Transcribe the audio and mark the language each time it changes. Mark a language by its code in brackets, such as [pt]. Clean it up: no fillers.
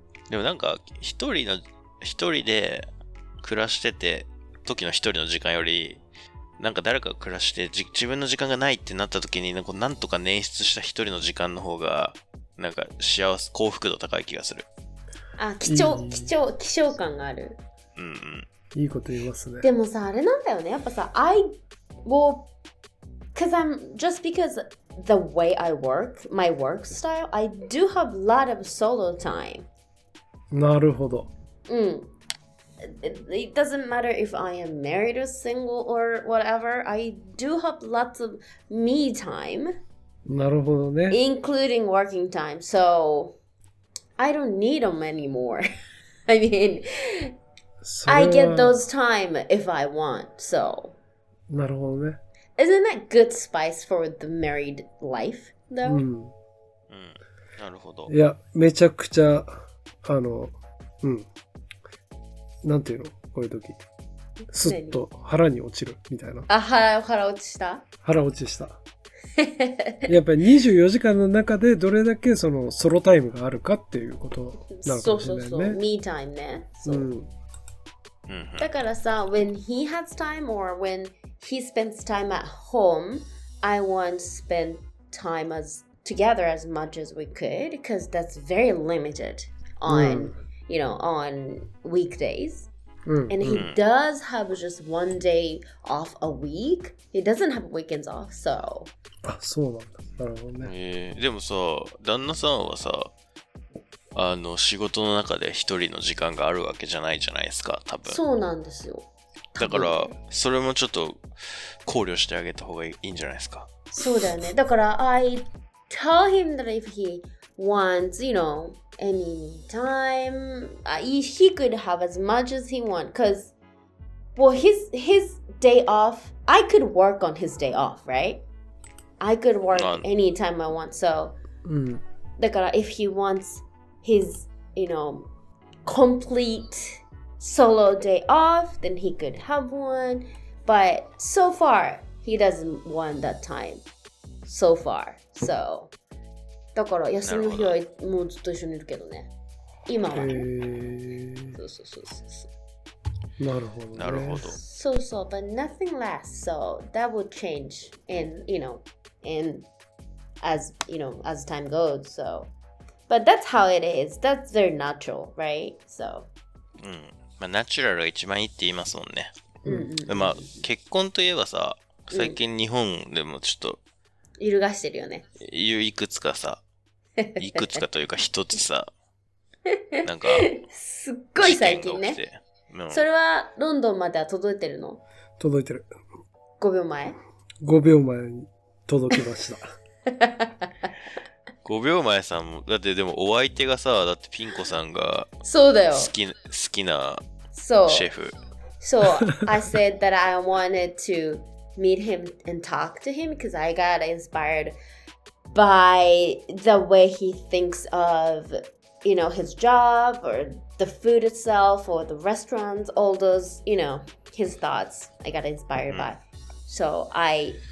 [ja] でもなんか一人で暮らしてて時の一人の時間より、なんか誰か暮らして自分の時間がないってなった時に、なんとか捻出した一人の時間の方がなんか幸せ、幸福度高い気がする。あ、貴重、いい、貴重、希少感がある。うんうん、いいこと言いますね。でもさ、あれなんだよね、やっぱさ、 [en] I will cause I'm just because the way I work, my work style, I do have a lot of solo time. [ja] なるほど。 [en] うん、It doesn't matter if I am married or single or whatever, I do have lots of me time. [ja] なるほどね。 [en] Including working time. So, I don't need them anymore. I mean, I get those time if I want, so. [ja] なるほどね。 [en] Isn't that good spice for the married life, though? うん。 [ja] うん。なるほど。いや、めちゃくちゃ、あの、うん。なんていうの、こういう時すっと腹に落ちるみたいな。あ、腹落ちした。腹落ちした。やっぱり24時間の中でどれだけそのソロタイムがあるかっていうことなのかもしれないね。そうそうそう、ミータイムね。そう、うん、だからさ、 [en] when he has time or when he spends time at home, I want to spend time as together as much as we could, because that's very limited on,、mm. you know, on weekdays.、 Mm. And he、mm. does have just one day off a week. He doesn't have weekends off, so. [ja] あ、そうなんだ。なるほどね。でもさ、旦那さんはさ、あの仕事の中で一人の時間があるわけじゃないじゃないですか、多分。そうなんですよ。だからそれもちょっと考慮してあげた方がいいんじゃないですか。そうだよね。だから [en] I tell him that if he wants, you know, any time, he could have as much as he wants. Cause, well, his day off, I could work on his day off, right? I could work any time I want. So,、うん、 [ja] だから [en] if he wants his, you know, complete. Solo day off, then he could have one. But so far, he doesn't want that time. So far, so. [ja] だから休みの日はもうずっと一緒にいるけどね。今はね。そうそうそうそう。なるほど、ね。なるほど。そうそう、 [en] but nothing lasts. So that will change, and you know, and as you know, as time goes. So, but that's how it is. That's very natural, right? So. うん。 [ja] まあ、ナチュラルが一番いいって言いますもんね。うんうん、まあ結婚といえばさ、最近日本でもちょっと、うん、揺るがしてるよね。いくつかさ、いくつかというか一つさ、なんかすっごい最近ね、うん。それはロンドンまでは届いてるの？届いてる。 5秒前？ 5秒前に届きました。 5秒前さんも、だってでもお相手がさ、だってピン子さんが、そうだよ。好きな、そう。シェフ。そう。 [en] I said that I wanted to meet him and talk to him because I got inspired by the way he thinks of, you know, his job or the food itself or the restaurants, all those, you know, his thoughts I got inspired、mm. by. So I...